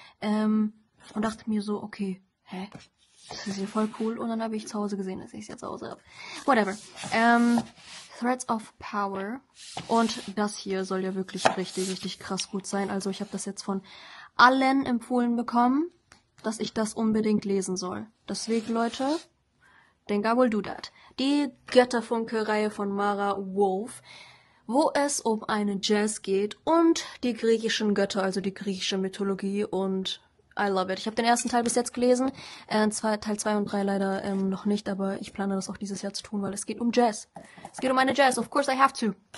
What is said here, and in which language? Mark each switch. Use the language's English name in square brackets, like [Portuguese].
[German] Und dachte mir so, okay. Hä? Das ist hier voll cool. Und dann habe ich zu Hause gesehen, dass ich es jetzt zu Hause habe. Whatever. Threads of Power. Und das hier soll ja wirklich richtig, richtig krass gut sein. Also ich habe das jetzt von allen empfohlen bekommen, dass ich das unbedingt lesen soll. Deswegen, Leute, [English] think I will do that. [German] Die Götterfunke-Reihe von Mara Wolf, wo es um einen Jazz geht und die griechischen Götter, also die griechische Mythologie und [English] I love it. [German] Ich habe den ersten Teil bis jetzt gelesen. Teil 2 und 3 leider noch nicht, aber ich plane das auch dieses Jahr zu tun, weil es geht um Jazz. Es geht um eine Jazz. [English] Of course I have to.